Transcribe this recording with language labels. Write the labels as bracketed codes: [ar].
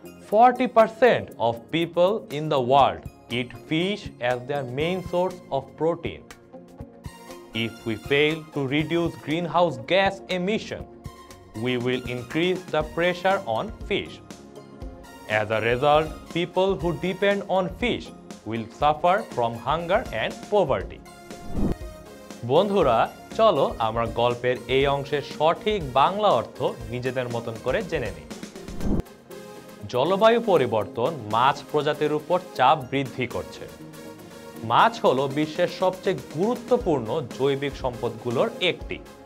[en] 40% of people in the world eat fish as their main source of protein. If we fail to reduce greenhouse gas emission, we will increase the pressure on fish. As a result, people who depend on fish will suffer from hunger and poverty. [bn] বন্ধুরা, চলো আমরা গল্পের এই অংশের সঠিক বাংলা অর্থ নিজেদের মতন করে জেনে নিই। জলবায়ু পরিবর্তন মাছ প্রজাতির উপর চাপ বৃদ্ধি করছে। মাছ হলো বিশ্বের সবচেয়ে গুরুত্বপূর্ণ জৈবিক সম্পদগুলোর একটি।